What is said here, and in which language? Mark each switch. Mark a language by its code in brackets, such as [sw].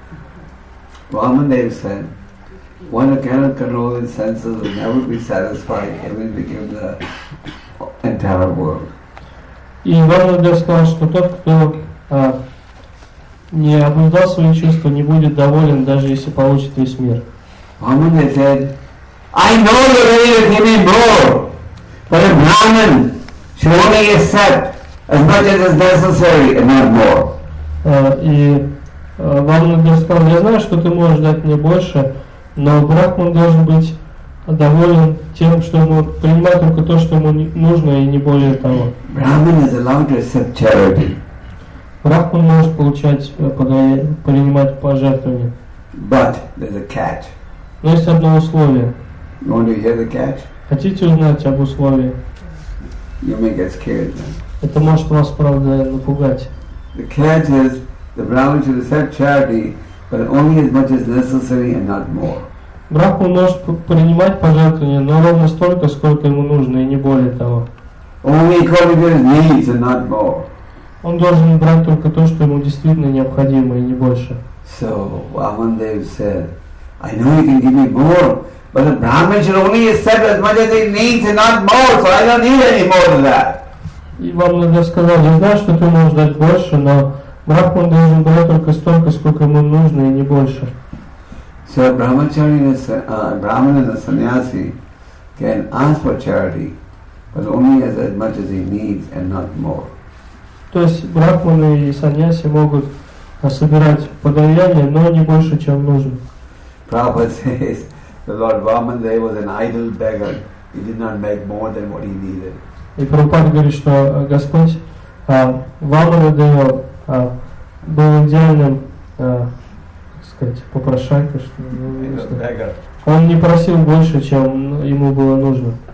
[en] One who cannot control his senses will never be satisfied even if he gives the entire world. [ru] И Ванадев сказал, что тот, кто не обуздал свои чувства, не будет доволен, даже если получит весь мир. [en] Ванадев said, I know the way to give me more, but a Brahman should only accept as much as is necessary and not more. [ru] И Ванадев сказал, я знаю, что ты можешь дать мне больше, но брахман должен быть доволен тем, что ему принимать только то, что ему нужно, и не более того. [en] Brahman is allowed to accept charity. [ru] Брахман может принимать пожертвования. [en] But there's a catch. [ru] Но есть одно условие. [en] You want to hear the catch? [ru] Хотите узнать об условии? [en] You may get scared then. [ru] Это может вас, правда, напугать. [en] The catch is the Brahman should accept charity. But only as much as necessary and not more. [ru] Брахман может принимать пожертвования, но ровно столько, сколько ему нужно, и не более того. [en] Only according to his needs and not more. [ru] Он должен брать только то, что ему действительно необходимо, и не больше. [en] So Vamandev said, I know you can give me more, but a Brahmin should only accept as much as he needs and not more, so I don't need any more than that. [ru] И Вамандев сказал, я знаю, что ты можешь дать больше, но Брахман должен дать только столько, сколько ему нужно, и не больше. [en] So Brahmachari, Brahman and a sannyasi can ask for charity, but only as much as he needs and not more. [ru] То есть Брахманы и сannyasi могут собирать подаяние, но не больше, чем нужно. [en] Prabhupada says the Lord Vamandev was an idle beggar. He did not make more than what he needed. [ru] И Прабхупада говорит, что Господь Вамандев был идеальным, как сказать, попрошайкой, что он не просил больше, чем ему было нужно.